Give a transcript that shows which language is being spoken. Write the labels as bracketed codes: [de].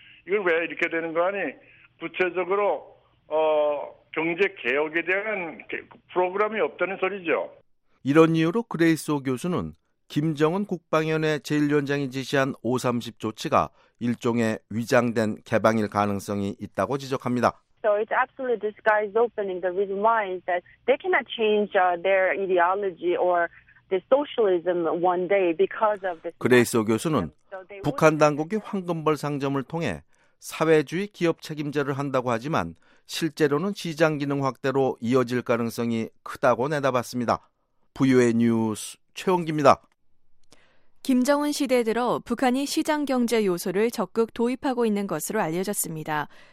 [ko] 이걸 왜 이렇게 되는 거 아니? 구체적으로 경제 개혁에 대한 프로그램이 없다는 소리죠. 이런 이유로 그레이스 오 교수는 김정은 국방위원회 제1위원장이 지시한 530 조치가 일종의 위장된 개방일 가능성이 있다고 지적합니다. [en] So it's absolutely disguised opening. The reason why is that they cannot change their ideology or the socialism one day because of this. [ko] 그레이스 오 교수는 북한 당국이 황금벌 상점을 통해 사회주의 기업 책임제를 한다고 하지만 실제로는 시장 기능 확대로 이어질 가능성이 크다고 내다봤습니다. 부유의 뉴스 최원기입니다. 김정은 시대 들어 북한이 시장 경제 요소를 적극 도입하고 있는 것으로 알려졌습니다.